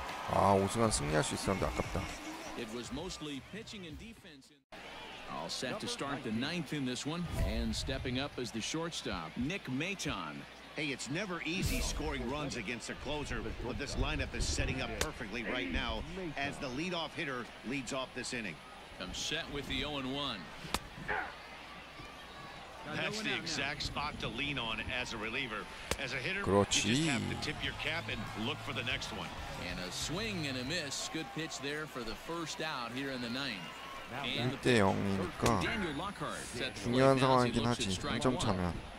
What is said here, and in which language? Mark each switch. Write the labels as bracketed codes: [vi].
[ko] 아 우승환 승리할 수 있었는데 아깝다. [en] It was mostly pitching and defense. All set to start the ninth in this one, and stepping up as the shortstop, Nick Maton. Hey, it's never easy scoring runs against a closer, but this lineup is setting up perfectly right now as the leadoff hitter leads off this inning. I'm set with the 0-1. That's the exact spot to lean on as a reliever. As a hitter, [ko] 그렇지. [en] You just have to tip your cap and look for the next one. And a swing and a miss. Good pitch there for the first out here in the ninth. [ko] 1대 0이니까 중요한 상황이긴 하지. 1점 차면.